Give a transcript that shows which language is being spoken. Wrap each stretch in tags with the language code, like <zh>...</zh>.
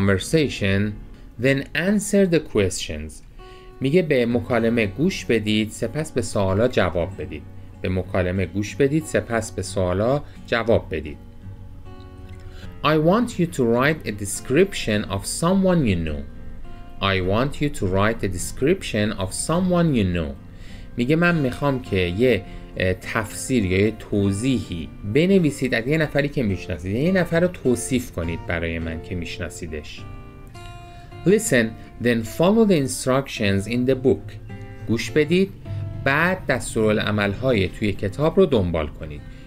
<en>Listen to the conversation, then answer the questions.</en> <fa>میگه به مکالمه گوش بدید، سپس به سوالا جواب بدید.</fa> <en>I want you to write a description of someone you know.</en> <fa>میگه من میخوام که یه تفسیر یا یه توضیحی بنویسید از یه نفری که میشناسید. یه نفر رو توصیف کنید برای من که میشناسیدش.</fa> <en>Listen, then follow the instructions in the book.</en> <fa>گوش بدید بعد دستورالعمل‌های توی کتاب رو دنبال کنید.</fa>